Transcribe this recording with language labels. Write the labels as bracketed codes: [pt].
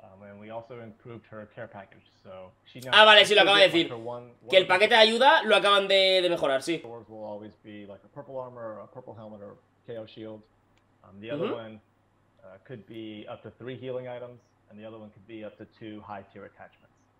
[en] And we also improved her care package, so she now. [es] Ah, vale, sí, lo acaban de decir. Que el paquete de ayuda lo acaban de mejorar, sí. [en] Doors will always be like a purple armor, a purple helmet, or KO shield. The other one could be up to 3 healing items, and the other one could be up to 2 high tier attachments.